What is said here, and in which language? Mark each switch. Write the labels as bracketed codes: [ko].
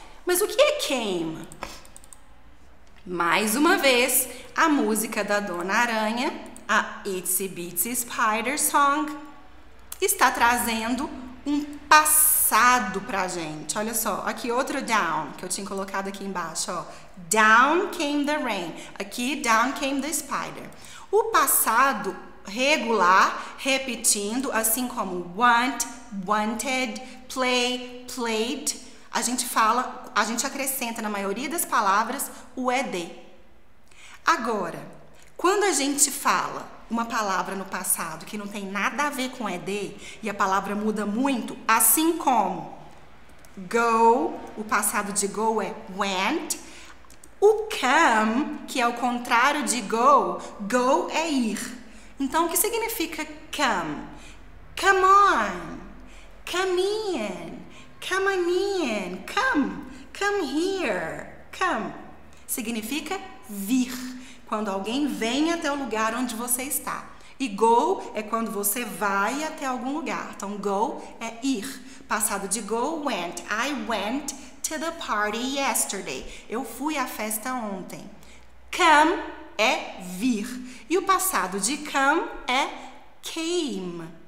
[pt] Mas o que é came? Mais uma vez, a música da Dona Aranha, a Itsy Bitsy Spider Song, está trazendo um passado pra gente. Olha só, aqui outro down que eu tinha colocado aqui embaixo, ó. [en] Down came the rain. Aqui, down came the spider. [pt] O passado regular, repetindo, assim como want, wanted, play, played. A gente fala, a gente acrescenta na maioria das palavras o ED. Agora, quando a gente fala uma palavra no passado que não tem nada a ver com ED e a palavra muda muito, assim como go, o passado de go é went, o come, que é o contrário de go é ir. Então, o que significa come? [en] Come on, come in. Come on in, come here, come. [pt] Significa vir, quando alguém vem até o lugar onde você está. E go é quando você vai até algum lugar. Então, go é ir. Passado de go, went. [en] I went to the party yesterday. [pt] Eu fui à festa ontem. Come é vir. E o passado de come é came.